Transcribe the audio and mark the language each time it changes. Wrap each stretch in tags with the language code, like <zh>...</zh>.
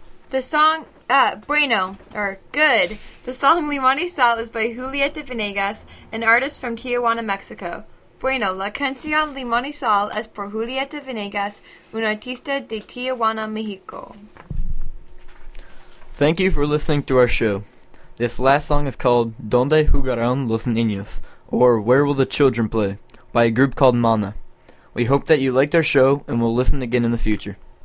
<en>The song, Bueno, or Good, the song Limón y Sal is by Julieta Venegas, an artist from Tijuana, Mexico.</en> <es>Bueno, la canción Limón y Sal es por Julieta Venegas, un artista de Tijuana, Mexico.</es> <en>Thank you for listening to our show. This last song is called Donde Jugarán Los Niños, or Where Will the Children Play, by a group called Mana. We hope that you liked our show and will listen again in the future.</en>